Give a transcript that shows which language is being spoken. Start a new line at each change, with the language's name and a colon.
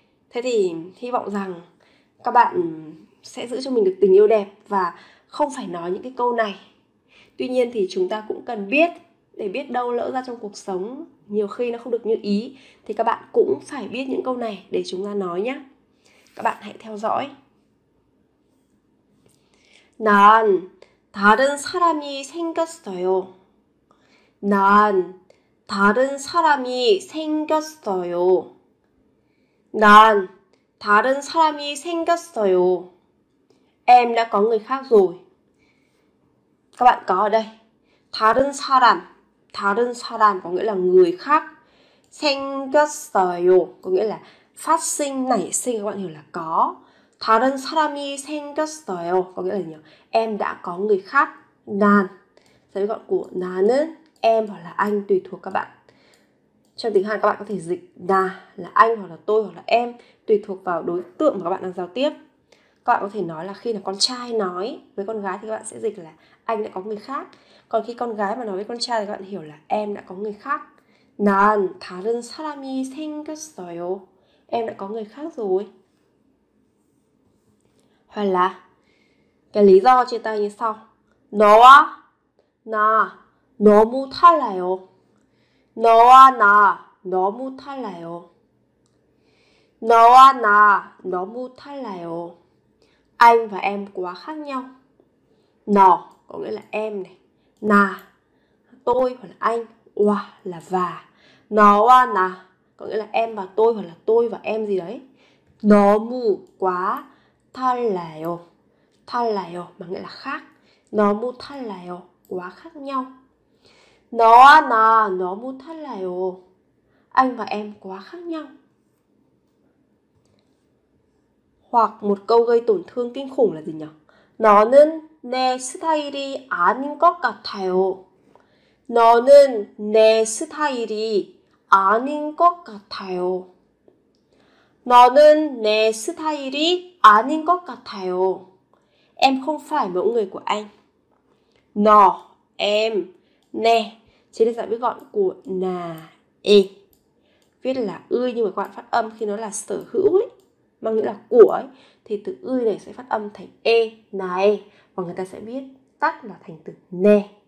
Vietnamese: Thế thì hy vọng rằng các bạn sẽ giữ cho mình được tình yêu đẹp và không phải nói những cái câu này. Tuy nhiên thì chúng ta cũng cần biết, để biết đâu lỡ ra trong cuộc sống nhiều khi nó không được như ý, thì các bạn cũng phải biết những câu này để chúng ta nói nhé. Các bạn hãy theo dõi.
Korean: 난 다른 사람이 생겼어요. 난 다른 사람이 생겼어요. 난 다른 사람이 생겼어요.
Vietnamese: Em đã có người khác rồi. Các bạn có ở đây
Korean: 다른 사람, 다른 사람
Vietnamese: có nghĩa là người khác,
Korean: 생겼어요
Vietnamese: có nghĩa là phát sinh, nảy sinh, các bạn hiểu là có.
Korean: 다른 사람이 생겼어요
Vietnamese: có nghĩa là nhiều. Em đã có người khác.
Korean: 난,
Vietnamese: sẽ gọi của
Korean: 나는,
Vietnamese: em hoặc là anh tùy thuộc các bạn. Trong tiếng Hàn các bạn có thể dịch 나 là anh hoặc là tôi hoặc là em, tùy thuộc vào đối tượng mà các bạn đang giao tiếp. Các bạn có thể nói là khi là con trai nói với con gái thì các bạn sẽ dịch là anh đã có người khác. Còn khi con gái mà nói với con trai thì các bạn hiểu là em đã có người khác.
Korean: 난 다른 사람이 생겼어요.
Vietnamese: Em đã có người khác rồi. Hoặc là cái lý do chia tay như sau.
Korean: 너와 나 너무 달라요. 너와 나 너무 달라요. 너와 나 너무 달라요.
Vietnamese: Anh và em quá khác nhau.
Korean: 너
Vietnamese: có nghĩa là em này.
Korean: 나
Vietnamese: tôi hoặc là anh.
Korean: 와
Vietnamese: là và.
Korean: 너와 나
Vietnamese: có nghĩa là em và tôi hoặc là tôi và em gì đấy.
Korean: 너무
Vietnamese: quá
Korean: 달라요. 달라요
Vietnamese: mà nghĩa là khác.
Korean: 너무 달라요
Vietnamese: quá khác nhau.
Korean: 너와 나 너무 달라요.
Vietnamese: Anh và em quá khác nhau. Hoặc một câu gây tổn thương kinh khủng là gì nhỉ?
Korean: 너는 내 스타일이 아닌 것 같아요. 너는 내 스타일이 아닌 것 같아요. 너는 내 스타일이 아닌 것 같아요.
Vietnamese: Em không phải mẫu người của anh.
Korean: 너,
Vietnamese: em,
Korean: 내
Vietnamese: chính là giải viết gọn của 나, 에. Viết là ươi nhưng mà các bạn phát âm khi nó là sở hữu ấy, mà nghĩa là của ấy, thì từ ươi này sẽ phát âm thành e, này, và người ta sẽ biết tắt là thành từ nè.